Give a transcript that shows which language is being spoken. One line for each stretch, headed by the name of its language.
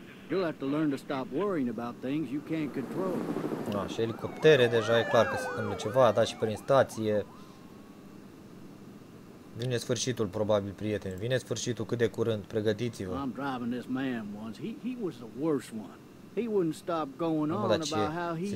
English: You'll have to learn to stop worrying about things you can't control.
Romanian: Da, și elicoptere, deja e clar că se întâmplă ceva, da, și prin stație. Vine sfârșitul, probabil, prieteni. Vine sfârșitul cât de curând. Pregătiți-vă.
English: I'm driving this man once. He was the worst one. He wouldn't stop going on about how he didn't do.